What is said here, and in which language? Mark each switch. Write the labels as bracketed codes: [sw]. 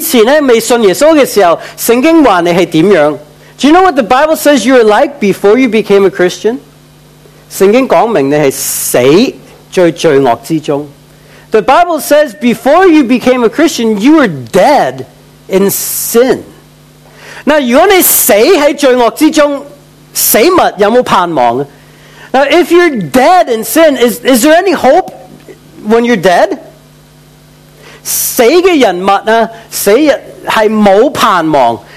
[zh] 因为我们在主里面以前未信耶稣的时候圣经说你是怎样. [en] Do you know what the Bible says you were like before you became a Christian? [zh] 圣经说明你是死在罪恶之中. [en] The Bible says before you became a Christian, you were dead in sin. [zh] 那如果你死在罪恶之中,死物有没有盼望? [en] Now, if you're dead in sin, is there any hope when you're dead? [zh] 死的人物呢,死是没有盼望.